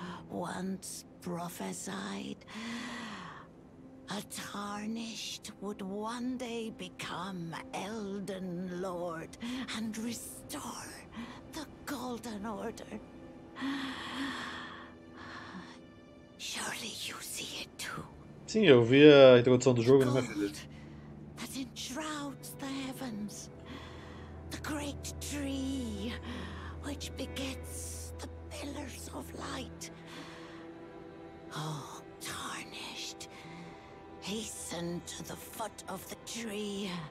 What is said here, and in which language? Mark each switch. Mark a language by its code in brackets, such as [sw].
[en] Once prophesied, a tarnished would one day become Elden Lord and restore the Golden Order. Surely you see it too. [pt] Sim, eu vi a introdução do jogo, não é, filho? [en] That enshrouds the heavens, the great tree which begets the pillars of light. Oh, tarnished. Hasten to the foot of the tree.